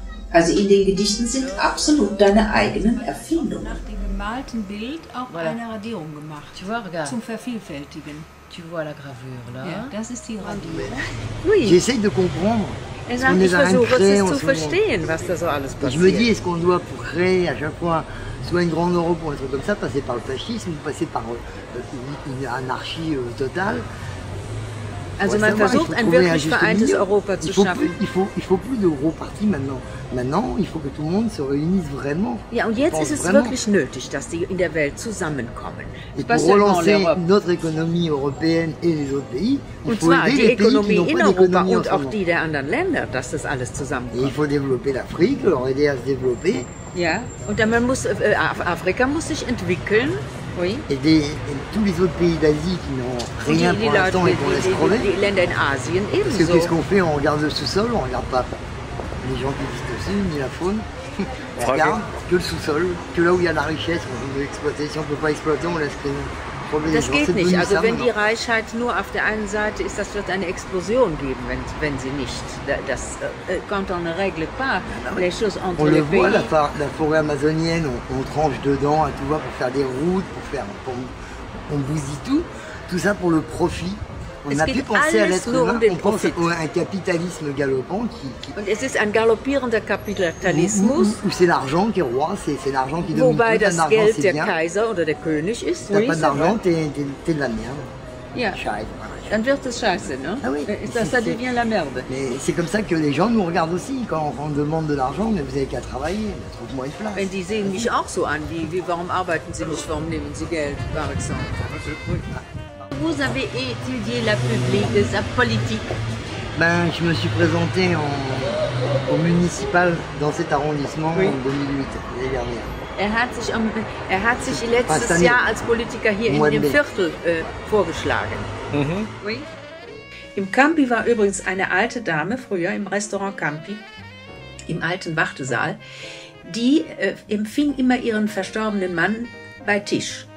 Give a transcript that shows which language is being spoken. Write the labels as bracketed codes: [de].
[de] Also in den Gedichten sind absolut deine eigenen Erfindungen. Nach dem gemalten Bild auch eine Radierung gemacht. Zum Vervielfältigen. [fr] Tu vois la gravure, là? [de] Ja, das ist die Radierung. [fr] Oui. J'essaie de comprendre. [de] Er sagt, ich versuche es zu verstehen, was da so alles passiert. [fr] Ich me dis, est-ce qu'on doit pour créer à chaque fois soit une grande Europe ou un truc comme ça, passer par le fascisme, passer par une anarchie totale. [de] Also man versucht, ein wirklich vereintes Europa zu schaffen. [fr] Il faut plus de gros partis maintenant. Maintenant, il faut que tout le monde se réunisse vraiment. [de] Ja, und jetzt ist es wirklich nötig, dass die in der Welt zusammenkommen. [fr] Et pour relancer notre économie européenne et les autres pays, [de] und zwar die Ökonomie in Europa und auch die der anderen Länder, dass das alles zusammenkommt. [fr] Il faut développer l'Afrique, leur aider à se développer. [de] Ja, und dann Afrika muss sich entwickeln. Oui. [fr] Et tous les autres pays d'Asie qui n'ont rien pour l'instant et qu'on laisse crever. [de] Les Länder in Asien ebenso. [fr] Parce que qu'est-ce qu'on fait? On regarde le sous-sol, on ne regarde pas les gens qui vivent dessus, ni la faune. On regarde que le sous-sol, que là où il y a la richesse, on veut exploiter. Si on ne peut pas exploiter, on laisse crever. [de] Das geht nicht. Also wenn die Reichheit nur auf der einen Seite ist, das wird eine Explosion geben, wenn sie nicht. Das kommt [fr] en règle pas. Les choses entre les pays. On le voit, la forêt amazonienne, on tranche dedans, tout va pour faire des routes, on bousille tout. Tout ça pour le profit. On n'a plus pensé à l'être humain, on pense à un capitalisme galopant qui... [de] Und es ist ein galoppierender Kapitalismus. [fr] Où c'est l'argent qui est roi, c'est l'argent qui domine tout, l'argent c'est bien. [de] Wobei das Geld der Kaiser oder der König ist, [fr] t'as oui. T'as pas d'argent, t'es de la merde. [de] Ja, scheiße. Dann wird es scheiße, non? [fr] Ah oui. Ça devient la merde. Mais c'est comme ça que les gens nous regardent aussi, quand on demande de l'argent, mais vous avez qu'à travailler, trouve-moi une place. [de] Wenn die sehen mich auch so an, wie warum arbeiten sie nicht, warum nehmen sie Geld, [fr] par exemple. Vous avez étudié la publique, sa politique. Ben, je me suis présenté au municipal dans cet arrondissement oui. En 2008, l'année dernière. [de] Er hat sich letztes Jahr als Politiker hier in dem Viertel vorgeschlagen. Mhm. [fr] Oui. [de] Im Campi war übrigens eine alte Dame früher im Restaurant Campi, im alten Wartesaal, die empfing immer ihren verstorbenen Mann bei Tisch.